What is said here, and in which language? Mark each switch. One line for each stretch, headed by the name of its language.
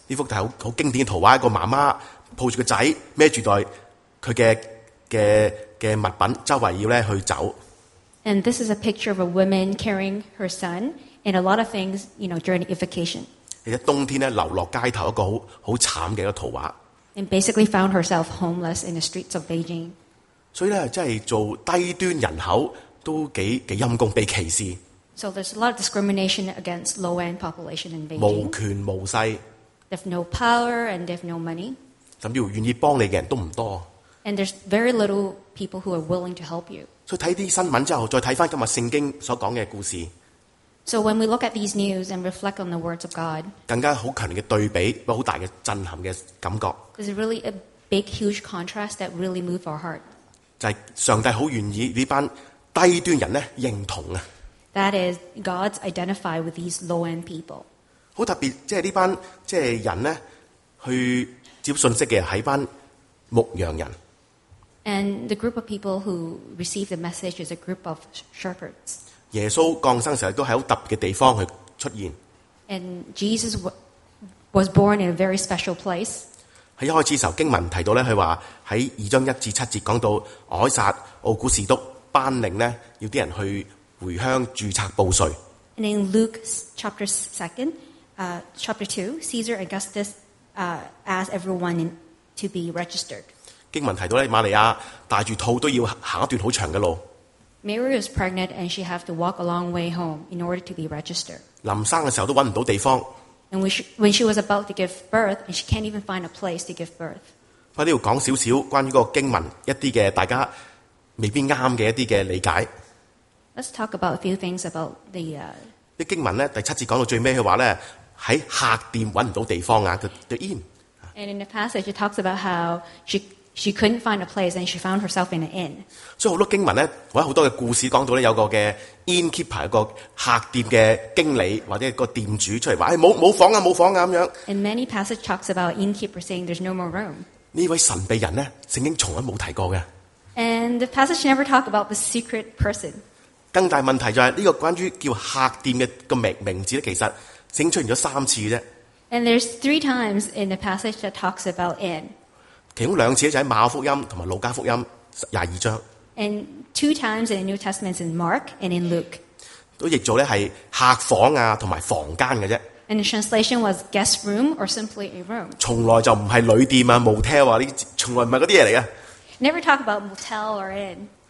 Cantonese: 呢幅就係好經典嘅圖畫，一個媽媽抱住個仔，孭住袋佢嘅物品，周圍要咧去走。
English: And this is a picture of a woman carrying her son and a lot of things, you know, during evacuation.
Cantonese: 喺冬天咧，流落街頭一個好慘嘅一個圖畫。
English: And basically found herself homeless in the streets of Beijing.
Cantonese: 所以咧，真係做低端人口都幾陰公，被歧視。
English: So there's a lot of discrimination against low-end population in Beijing.
Cantonese: 無權無勢。
English: They have no power and they have no money.
Cantonese: 甚至乎願意幫你嘅人都唔多。
English: And there's very little people who are willing to help you.
Cantonese: 所以睇啲新聞之後，再睇翻今日聖經所講嘅故事。
English: So when we look at these news and reflect on the words of God,
Cantonese: 更加好強烈嘅對比，有好大嘅震撼嘅感覺。
English: There's really a big, huge contrast that really moves our heart.
Cantonese: 就係上帝好願意呢班低端人咧認同啊。
English: That is God's identify with these low-end people.
Cantonese: 好特別，即係呢班即係人咧去接信息嘅係班牧羊人。
English: And the group of people who receive the message is a group of shepherds.
Cantonese: 耶穌降生時候都喺好特別嘅地方去出現。
English: And Jesus was born in a very special place.
Cantonese: 喺一開始時候經文提到咧，佢話喺二章一至七節講到凱撒、奧古士督頒令咧，要啲人去回鄉註冊報税。
English: And in Luke chapter two, Caesar Augustus asked everyone to be registered.
Cantonese: 經文提到瑪利亞帶住肚都要行一段好長嘅路。
English: Mary was pregnant and she had to walk a long way home in order to be registered.
Cantonese: 臨生嘅時候都揾唔到地方。
English: And when she was about to give birth, and she can't even find a place to give birth.
Cantonese: 我呢度講少少關於個經文一啲嘅大家未必啱嘅一啲嘅理解。
English: Let's talk about a few things about the.
Cantonese: 啲經文咧第七節講到最尾嘅話咧，喺客店揾唔到地方啊 ，the inn.
English: And in the passage, it talks about how she couldn't find a place, and she found herself in an inn.
Cantonese: 所以好多经文咧，或者好多嘅故事讲到咧，有个嘅 innkeeper， 一个客店嘅经理或者一个店主出嚟话：，冇房啊，冇房啊咁样。
English: And many passages talks about innkeeper saying there's no more room.
Cantonese: 呢位神秘人咧，圣经从来冇提过嘅。
English: And the passage never talk about the secret person.
Cantonese: 更大问题就系呢个关于叫客店嘅个名字咧，其实圣经出现咗三次啫。
English: And there's three times in the passage that talks about inn.
Cantonese: 其中兩次就喺馬可福音同埋路加福音22章。
English: And two times in the New Testament in Mark and in Luke.
Cantonese: 都譯做咧係客房啊同埋房間嘅啫。
English: And the translation was guest room or simply a room.
Cantonese: 從來就唔係旅店啊、motel 啊，呢從來唔係嗰啲嘢嚟嘅。
English: Never talk about motel or inn.